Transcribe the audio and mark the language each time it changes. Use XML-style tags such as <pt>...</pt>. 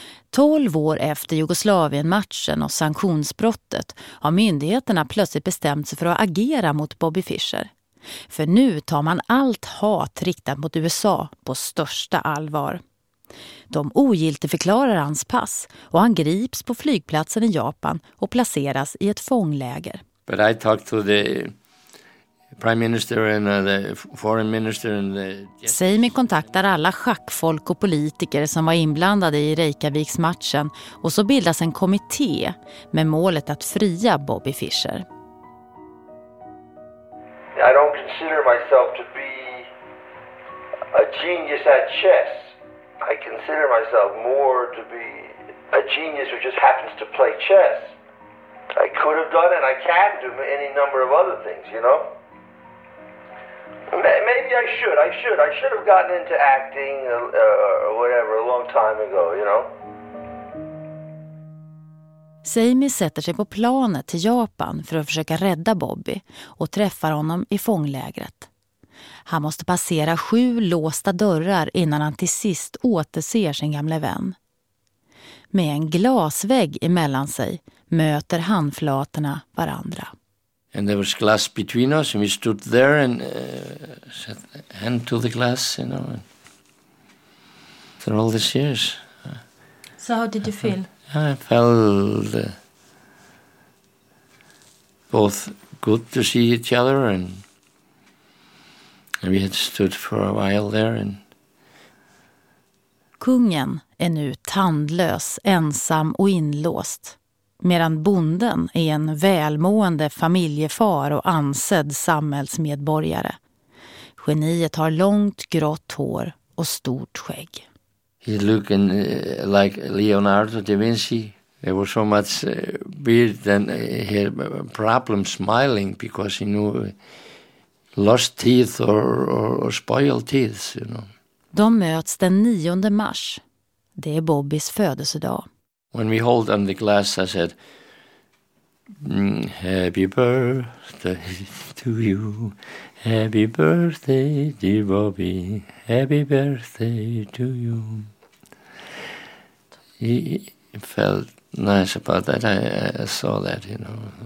<sv>12 år efter Jugoslavien-matchen och sanktionsbrottet har myndigheterna plötsligt bestämt sig för att agera mot Bobby Fischer. För nu tar man allt hat riktat mot USA på största allvar. De ogiltigförklarar hans pass och han grips på flygplatsen i Japan och placeras i ett fångläger.</sv> <en>But I talked to the prime minister and the foreign minister and the...</en> <sv>Seimi kontaktar alla schackfolk och politiker som var inblandade i Reykjaviks matchen och så bildas en kommitté med målet att fria Bobby Fischer.</sv> <en>I don't consider myself to be a genius at chess. I consider myself more to be a genius who just happens to play chess. I could have done and I can do any number of other things, you know? Maybe I should. I should have gotten into acting or whatever a long time ago, you know?</en> <sv>Sammy sätter sig på planet till Japan för att försöka rädda Bobby och träffar honom i fånglägret. Han måste passera 7 låsta dörrar innan han till sist återser sin gamla vän. Med en glasvägg emellan sig möter handflatorna varandra.</sv> <en>And there was glass between us and we stood there and set hand to the glass, you know. After all these years. So how did you feel? I felt both good to see each other and we had stood for a while there. And</en> <sv>kungen är nu tandlös, ensam och inlåst, medan bonden är en välmående familjefar och ansedd samhällsmedborgare. Geniet har långt grått hår och stort skägg.</sv> <en>He looked like Leonardo da Vinci. There was so much beard and he had problem smiling because he knew lost teeth or spoiled teeth, you know.</en> <sv>De möts den 9 mars. Det är Bobbys födelsedag.</sv> <en>When we hold on the glass, I said, happy birthday to you. Happy birthday, dear Bobby. Happy birthday to you. He felt nice about that. I saw that, you know.</en>